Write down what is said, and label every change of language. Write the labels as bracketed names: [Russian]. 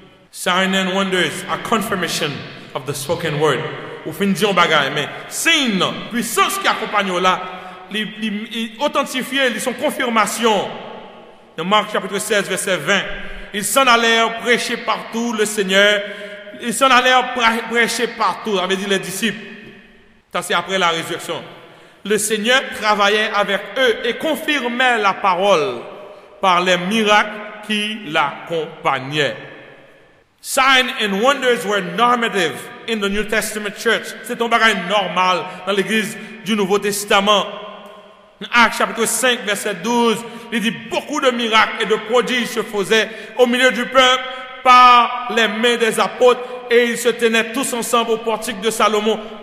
[English] Signs and wonders, a confirmation of the spoken word. [French] Ou fin dit un bagage, mais signe, puissance qui accompagne là, les authentifier, ils sont confirmation. Dans Marc chapitre 16, verset 20. Ils s'en allèrent prêcher partout le Seigneur. Ils s'en allèrent prêcher partout, avait dit les disciples. Ça, c'est après la résurrection. Le Seigneur travaillait avec eux et confirmait la parole par les miracles qui l'accompagnaient. [English] Signs and wonders were normative in the New Testament church. [French] C'est un bagage normal dans l'église du Nouveau Testament. Acte chapitre 5, verset 12. Il dit, beaucoup de miracles et de prodiges se faisaient au milieu du peuple par les mains des apôtres et ils se tenaient tous ensemble au portique de Salomon.